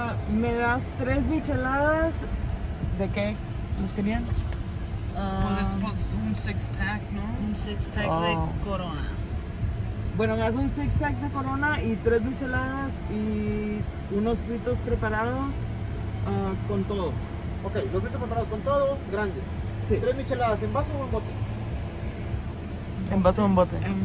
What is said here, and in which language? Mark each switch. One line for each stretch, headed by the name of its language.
Spanish: Me das tres micheladas. ¿De qué? ¿Los querían?
English: Well, it's supposed to be un six pack, no?
Spanish: Un six pack de Corona. Bueno, me das un six pack de Corona y tres micheladas y unos fritos preparados con todo. Okay, los fritos preparados con todo, grandes. Sí. Tres micheladas en vaso o en bote. En vaso o en bote.